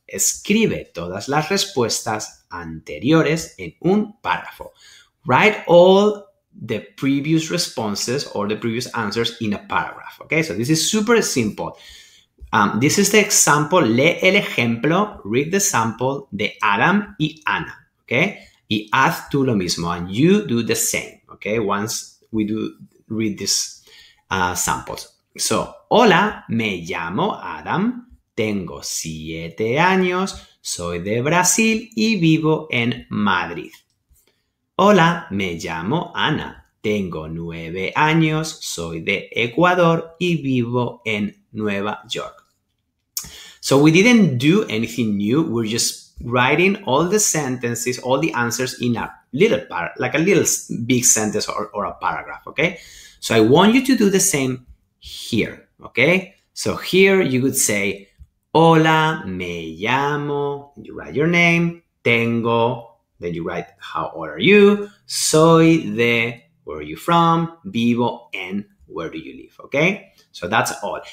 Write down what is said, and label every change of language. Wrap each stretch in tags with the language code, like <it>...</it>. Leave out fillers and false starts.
<es>Escribe todas las respuestas anteriores en un párrafo.</es> <en>Write all the previous responses or the previous answers in a paragraph. Okay, so this is super simple. This is the example.</en> <es>Lee el ejemplo.</es> <en>Read the sample</en> <es>de Adam y Ana.</es> <en>Okay,</en> <es>y haz tú lo mismo.</es> <en>And you do the same. Okay, once we do read these samples.</en> <es>So, hola, me llamo Adam. Tengo 7 años. Soy de Brasil y vivo en Madrid. Hola, me llamo Ana. Tengo 9 años. Soy de Ecuador y vivo en Nueva York.</es> <en>So we didn't do anything new. We're just writing all the sentences, all the answers in a little part, like a little big sentence or a paragraph, okay? So I want you to do the same here, okay? So here you could say,</en> <es>hola, me llamo,</es> <en>you write your name, tengo, then you write how old are you,</en> <es>soy de,</es> <en>where are you from,</en> <es>vivo en,</es> <en>where do you live, okay? So that's all.</en>